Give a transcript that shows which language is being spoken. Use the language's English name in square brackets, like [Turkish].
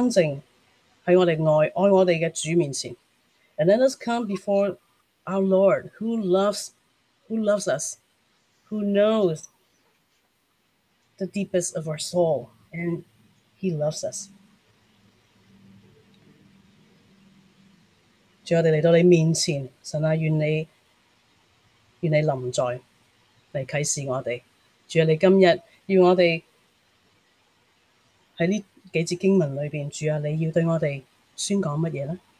[Chinese] 让我们去安静在我们爱我们的主面前。 [English] And let us come before our Lord, who loves us, who knows the deepest of our soul, and he loves us. [Chinese] 主，我们来到你面前，神啊，愿你临在来启示我们。主啊，你今日要我们在这几节经文里面，主啊，你要对我们宣讲什么呢？